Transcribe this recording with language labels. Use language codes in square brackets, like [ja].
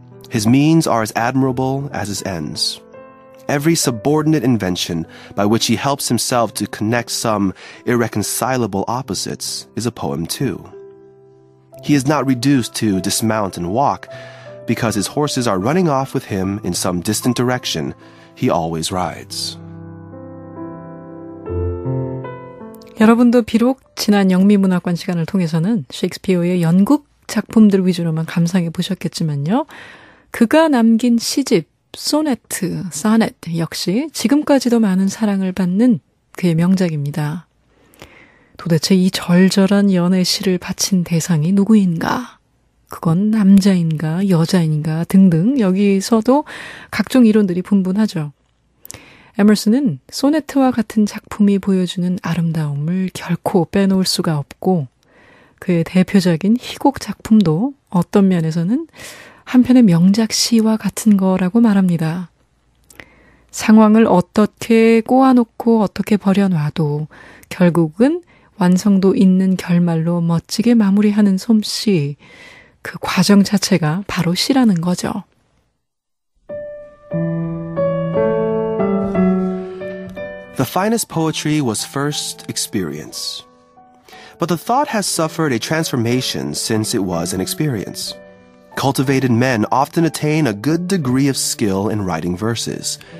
[en] His means are as admirable as his ends. Every subordinate invention by which he helps himself to connect some irreconcilable opposites is a poem too. He is not reduced to dismount and walk. Because his horses are running off with him in some distant direction, he always rides. [ko] 여러분도 비록 지난 영미문학관 시간을 통해서는 셰익스피어의 연극 작품들 위주로만 감상해 보셨겠지만요. 그가 남긴 시집, 소네트, 사넷 역시 지금까지도 많은 사랑을 받는 그의 명작입니다. 도대체 이 절절한 연애시를 바친 대상이 누구인가? 그건 남자인가 여자인가 등등 여기서도 각종 이론들이 분분하죠. 에머슨은 소네트와 같은 작품이 보여주는 아름다움을 결코 빼놓을 수가 없고 그의 대표적인 희곡 작품도 어떤 면에서는 한편의 명작 시와 같은 거라고 말합니다. 상황을 어떻게 꼬아놓고 어떻게 버려놔도 결국은 완성도 있는 결말로 멋지게 마무리하는 솜씨, 그 과정 자체가 바로 시라는 거죠. [en] The finest poetry was first experience. But the thought has suffered a transformation since it was an experience. Cultivated men often attain a good degree of skill in writing verses.